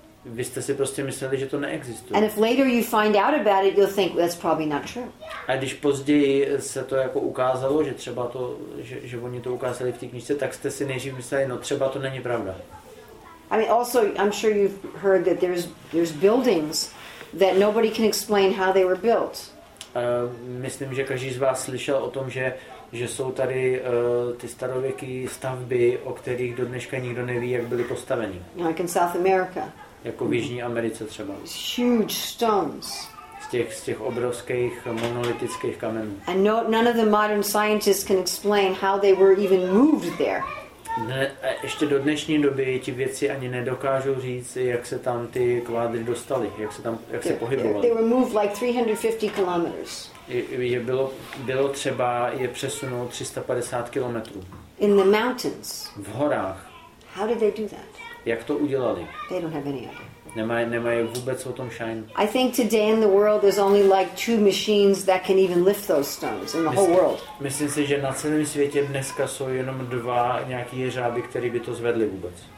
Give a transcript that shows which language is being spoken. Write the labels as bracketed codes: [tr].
[cs] Vy jste si prostě mysleli, že to neexistuje. [en] And if later you find out about it, you'll think that's probably not true. [cs] A když později se to jako ukázalo, že třeba to, že oni to ukázali v té knižce, tak jste si nejdřív mysleli, no třeba to není pravda. [en] I mean, also, I'm sure you've heard that there's buildings that nobody can explain how they were built. [cs] Myslím, že každý z vás slyšel o tom, že jsou tady ty starověké stavby, o kterých do dneška nikdo neví, jak byly postaveny. [en] Like in South America. [cs] Jako v Jižní Americe třeba. [en] Huge stones. [cs] Z těch obrovských monolitických kamenů. [en] And none of the modern scientists can explain how they were even moved there. [cs] Ještě do dnešní doby ti věci ani nedokážou říct, jak se tam ty kvádry dostaly, jak se tam jak se pohybovaly. [en] They were moved like 350 kilometers. [cs] Bylo třeba je přesunout 350 kilometrů. [en] In the mountains. [cs] V horách. [en] How did they do that? [cs] Jak to udělali? [en] They don't have any idea. [cs] Nemají vůbec o tom šajn. [en] I think today in the world there's only like two machines that can even lift those stones in the whole world. [cs] Myslím si, že na celém světě dneska jsou jenom dva nějaký jeřáby, který by to zvedli vůbec.